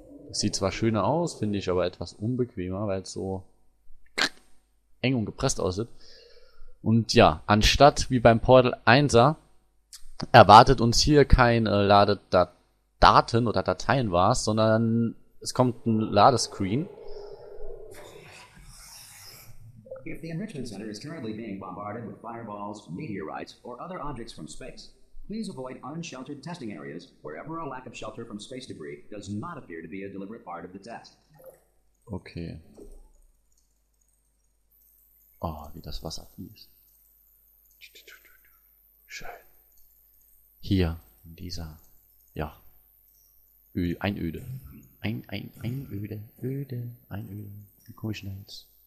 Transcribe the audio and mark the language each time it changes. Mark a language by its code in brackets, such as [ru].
[de] Sieht zwar schöner aus, finde ich aber etwas unbequemer, weil es so eng und gepresst aussieht. Und ja, anstatt wie beim Portal 1er erwartet uns hier kein Ladedaten oder Dateien war es, sondern es kommt ein Ladescreen. [en] If the Enrichment Center is currently being bombarded with fireballs, meteorites, or other objects from space, please avoid unsheltered testing areas wherever a lack of shelter from space debris does not appear to be a deliberate part of the test. Okay. [de] Oh, wie das Wasser fließt. Schön. Hier, in dieser, ja, Einöde. Einöde. Wie komme ich denn jetzt?